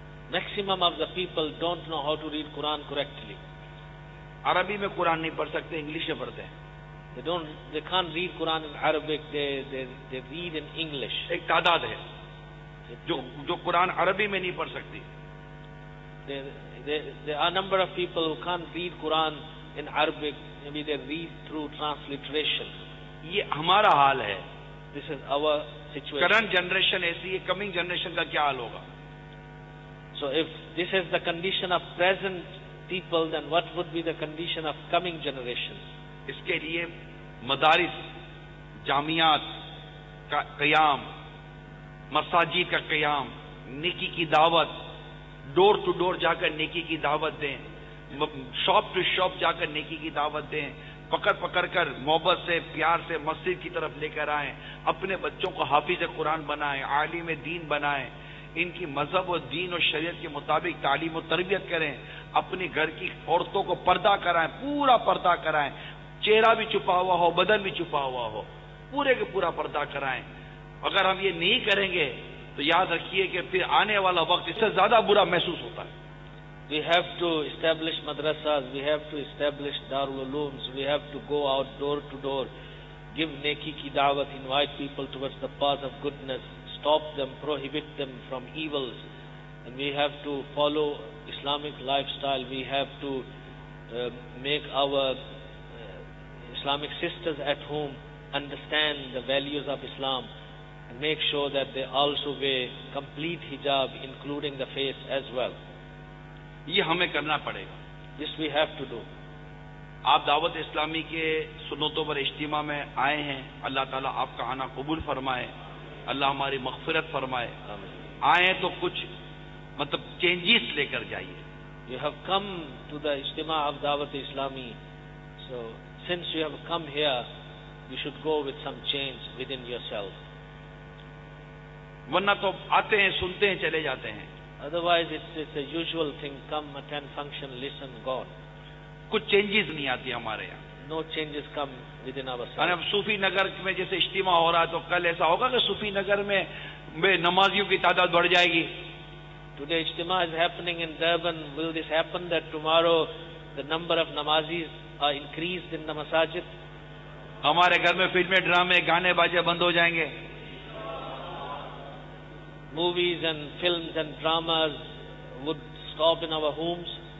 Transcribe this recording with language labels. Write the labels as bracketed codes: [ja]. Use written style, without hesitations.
[en] Maximum of the people don't know how to read Quran correctly. [ur] عربی میں قرآن نہیں پڑھ سکتے, انگلش میں پڑھتے ہیں. [en] They can't read Quran in Arabic, they read in English. [ur] ایک تعداد ہے جو قرآن عربی میں نہیں پڑھ سکتی. [en] There are a number of people who can't read Quran in Arabic, maybe they read through transliteration. [ur] یہ ہمارا حال ہے. [en] This is our situation. Current generation [ur] ایسی ہے, [en] coming generation [ur] کا کیا حال ہوگا. [en] So if this is the condition of present people, then what would be the condition of coming generation? [ur] اس کے لیے مدارس, جامعات کا قیام, مساجد کا قیام, نیکی کی دعوت, [en] door to door [ur] جا کر نیکی کی دعوت دیں, [en] shop to shop [ur] جا کر نیکی کی دعوت دیں, پکڑ پکڑ کر محبت سے, پیار سے مسجد کی طرف لے کر آئیں, اپنے بچوں کو حافظ قرآن بنائیں, عالم دین بنائیں, ان کی مذہب و دین و شریعت کے مطابق تعلیم و تربیت کریں, اپنے گھر کی عورتوں کو پردہ کرائیں, پورا پردہ کرائیں, چہرہ بھی چھپا ہوا ہو, بدن بھی چھپا ہوا ہو, پورے کے پورا پردہ کرائیں. اگر ہم یہ نہیں کریں گے تو یاد رکھیے کہ پھر آنے والا وقت اس سے زیادہ برا محسوس ہوتا ہے. [en] We have to establish madrasas, we have to establish darul ulooms, we have to go out door to door, give [ur] neki ki daawat, [en] invite people towards the path of goodness, stop them, prohibit them from evils, and we have to follow Islamic lifestyle, we have to make our Islamic sisters at home understand the values of Islam and make sure that they also wear complete hijab including the face as well. [ur] یہ ہمیں کرنا پڑے گا. [en] This we have to do. [ur] آپ دعوت اسلامی کے سنتوں پر اجتماع میں آئے ہیں, اللہ تعالیٰ آپ کا آنا قبول فرمائے, اللہ ہماری مغفرت فرمائے. آئے تو کچھ مطلب چینجز لے کر جائیے. [en] You have come to the ijtema of Dawat Islami, so since you have come here you should go with some change within yourself. [ur] ورنہ تو آتے ہیں, سنتے ہیں, چلے جاتے ہیں. [en] Otherwise it's a usual thing, come attend function, listen, gone. [ur] کچھ چینجز نہیں آتی ہمارے یہاں. [en] No changes come within ourselves. [ur] اب صوفی نگر میں جیسے اجتماع ہو رہا ہے تو کل ایسا ہوگا کہ صوفی نگر میں نمازیوں کی تعداد بڑھ جائے گی؟ [en] Today ijtima is happening in Durban. Will this happen that tomorrow the number of namazis are increased in the masajid? [ur] Hamare ghar mein film mein drama gaane baje band ho jayenge. [en] Movies and films and dramas would stop in our homes.